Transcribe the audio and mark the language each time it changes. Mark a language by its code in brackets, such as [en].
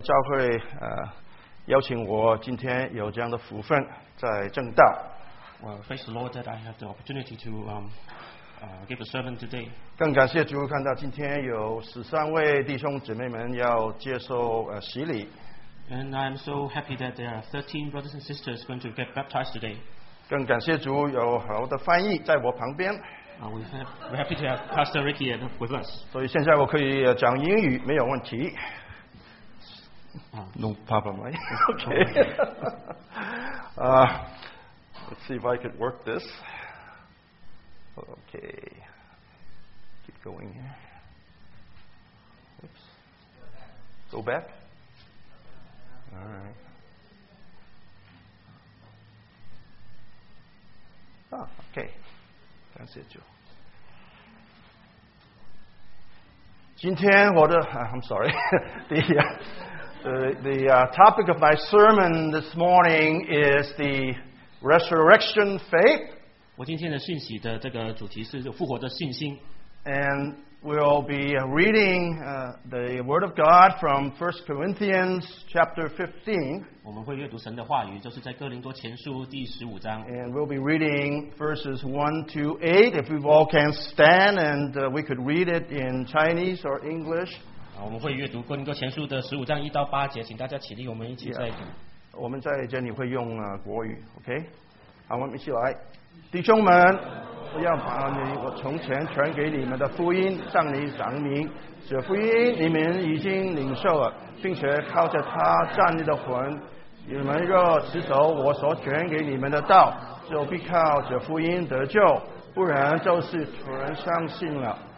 [zh] 教会邀请我今天有这样的福分在正道。 [en] Well, thanks the Lord that I have the opportunity to give a sermon today. [zh] 更感谢主，看到今天有13位弟兄姊妹们要接受洗礼。 [en] And I'm so happy that there are 13 brothers and sisters going to get baptized today. [zh] 更感谢主，有好的翻译在我旁边。 [en] We're happy to have Pastor Ricky with us. [zh] 所以现在我可以讲英语，没有问题。 [en] No problem, right? Okay. Let's see if I could work this. Okay. Keep going here. Oops. Go back. All right. Ah, okay. That's it, Joe. [zh] 今天我的 [en] I'm sorry, the topic of my sermon this morning is the resurrection faith. [zh] 我今天的信息的这个主题是复活的信心。 [en] And we'll be reading the word of God from 1 Corinthians chapter 15. [zh] 我们会阅读神的话语，就是在哥林多前书第十五章。 [en] And we'll be reading verses 1-8. If we all can stand, and we could read it in Chinese or English. [zh] 我们会阅读哥林多前书的十五章一到八节，请大家起立，我们一起再读。我们在这里会用国语 ，OK？ 好，我们一起来，弟兄们。不要把你我从前传给你们的福音向你讲明，这福音你们已经领受了，并且靠着他站立的魂，你们若持守我所传给你们的道，就必靠这福音得救，不然就是徒然相信了。